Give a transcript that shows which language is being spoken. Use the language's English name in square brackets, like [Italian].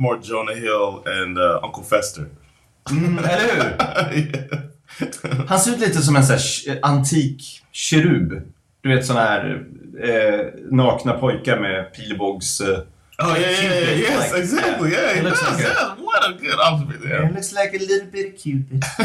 [English] More Jonah Hill and Uncle Fester. [Swedish] Eller hur? Yeah. Han ser ut lite som en sån antik kerub. Du vet, sån här nakna pojkar med pilbågs [English] Yeah, exactly. Looks like a little bit of Cupid.